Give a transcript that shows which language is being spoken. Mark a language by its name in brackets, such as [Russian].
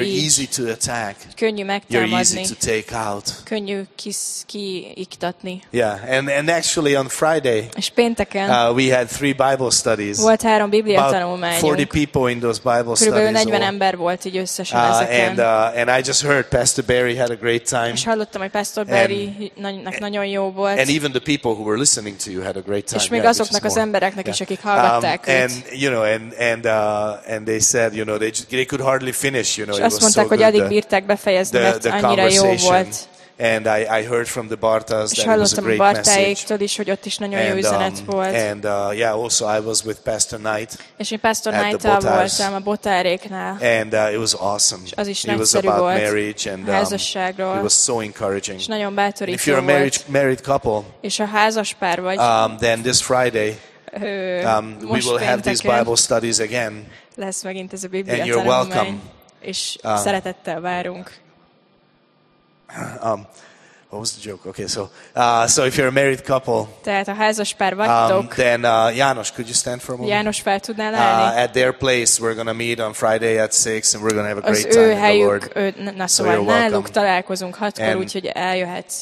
[English] You're easy to attack. [Hungarian] Könnyű megtámadni. [English] You're easy to take out. [Hungarian] Könnyű kiiktatni. [English] Yeah, and actually on Friday, [Hungarian] és pénteken, [English] we had three Bible studies. [Hungarian] Volt három Biblia tanulmányunk. [English] 40 people in those Bible studies. [Hungarian] Körülbelül 40 ember volt így összesen ezeken. [English] And I just heard Pastor Barry had a great time. [Hungarian] És hallottam, hogy Pastor Barry-nak nagyon jó volt. [English] And even the people who were listening to you had a great time. [Hungarian] És még azoknak az embereknek is, akik hallgatták. [English] And you know, and they said, you know, they could hardly finish, you know, it was so good. [Hungarian] És azt mondták, hogy alig bírták befejezni, mert annyira jó volt. [English] And I heard from the Bartas [Hungarian] és [English] that it was a great [Hungarian] Bartáéktől [English] message. [Hungarian] Is, hogy ott is nagyon jó üzenet volt. [English] And yeah, also I was with Pastor Knight. [Hungarian] És én Pastor Knight-tal voltam a Botáréknál. [English] And it was awesome. [Hungarian] És az is [English] it was about [Hungarian] volt. [English] Marriage and [Hungarian] házasságról. [English] It was so encouraging. [Hungarian] És nagyon bátorító. [English] If you're a married couple. [Hungarian] És a házaspár vagy. [English] Then this Friday we will have these Bible studies again. [Hungarian] Lesz megint ez a Biblia [English] and you're welcome. [Hungarian] És szeretettel várunk. [English] What was the joke? Okay, so if you're a married couple, [Hungarian] tehát a házaspár vagytok, [English] then János, could you stand for a moment? [Hungarian] János fel tudnál állni? [English] At their place, we're gonna meet on Friday at 6, and we're gonna have a great time with the Lord. [Hungarian] Az ő helyük, na szóval náluk találkozunk 6-kor, úgyhogy eljöhetsz.